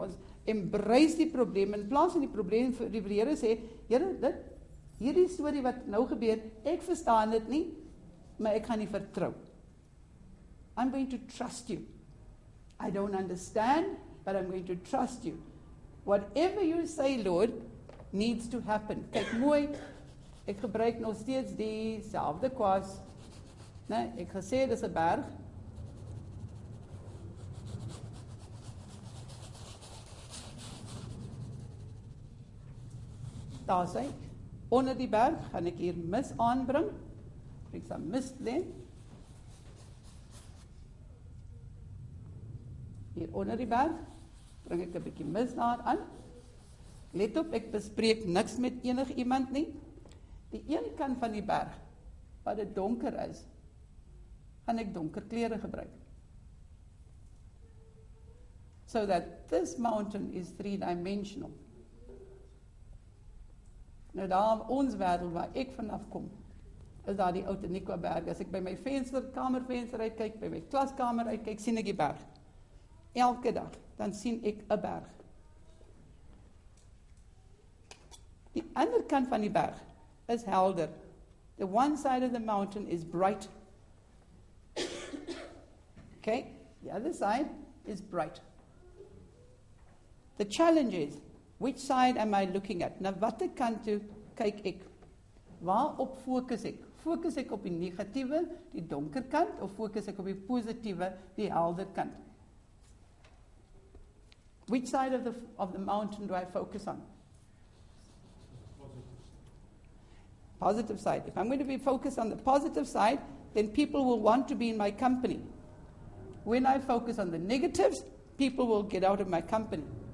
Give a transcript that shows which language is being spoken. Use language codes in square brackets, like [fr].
[af] Ons embrace die probleem in plaas van die probleem vir die Here sê, Here, dit hierdie storie wat nou gebeur, ek verstaan dit nie, maar ek gaan nie vertrou. [en] I'm going to trust you. I don't understand, but I'm going to trust you. Whatever you say, Lord, needs to happen. [af] Kyk mooi, ek gebruik nog steeds dieselfde kwas. Nee, ek gesê dis 'n berg. Daar sê, onder die berg gaan ek hier mis aanbring. Ek sal mis lê. Hier onder die berg bring ek 'n bietjie mis daar aan. Let op, ek bespreek niks met enig iemand nie. Die een kant van die berg, wat het donker is, gaan ek donker klere gebruik. [en] So that this mountain is three-dimensional. [af] Nou daar ons wêreld waar ek vanaf kom, is daar die Oud-Aniqua berg. As ek by my venster, kamervenster uitkyk, by my klaskamer uitkyk, sien ek die berg. Elke dag, dan sien ek 'n berg. Die ander kant van die berg is helder. [en] The one side of the mountain is bright. Okay, the other side is bright. The challenge is, which side am I looking at? [af] Na watter kant toe kyk ek? Waarop fokus ek? Fokus ek op die negatiewe, die donker kant, of fokus ek op die positiewe, die helder kant? [en] Which side of the mountain do I focus on? Positive side. If I'm going to be focused on the positive side, then people will want to be in my company. When I focus on the negatives, people will get out of my company.